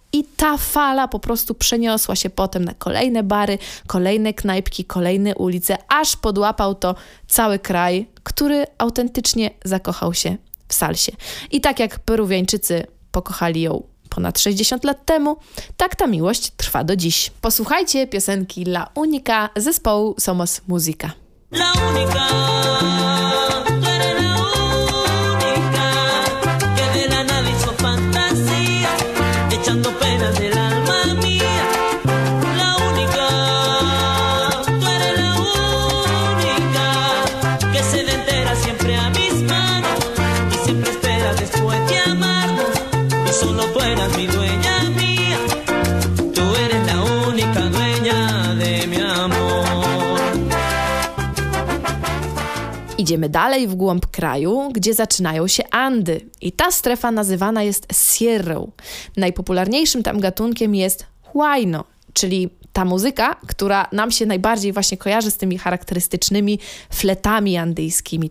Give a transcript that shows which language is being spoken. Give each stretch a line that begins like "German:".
Polish: I ta fala po prostu przeniosła się potem na kolejne bary, kolejne knajpki, kolejne ulice, aż podłapał to cały kraj, który autentycznie zakochał się w salsie. I tak jak Peruwiańczycy pokochali ją ponad 60 lat temu, tak ta miłość trwa do dziś. Posłuchajcie piosenki La Única zespołu Somos Música.
Spanish: La única, tú eres la única que del analizo fantasía, echando penas del alma mía. La única, tú eres la única que se le entera siempre a mis manos y siempre espera después de amarnos. Y solo tú eras mi dueña mía, tú eres la única dueña de mi amor.
Polish: Idziemy dalej w głąb kraju, gdzie zaczynają się Andy. I ta strefa nazywana jest Sierrą. Najpopularniejszym tam gatunkiem jest huayno, czyli ta muzyka, która nam się najbardziej właśnie kojarzy z tymi charakterystycznymi fletami andyjskimi.